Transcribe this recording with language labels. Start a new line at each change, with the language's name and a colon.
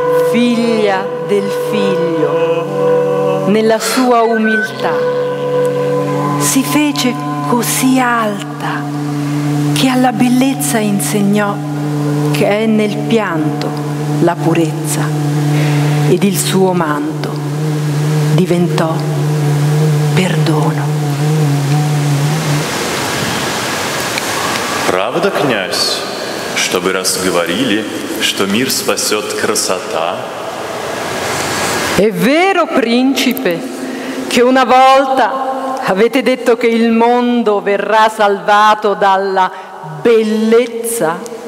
Italian: Figlia del figlio, nella sua umiltà, si fece così alta che alla bellezza insegnò che è nel pianto la purezza, ed il suo manto diventò perdono.
Russian: Правда, князь, что вы раз говорили, что мир спасет красота?
Italian: È vero, principe, che una volta avete detto che il mondo verrà salvato dalla bellezza?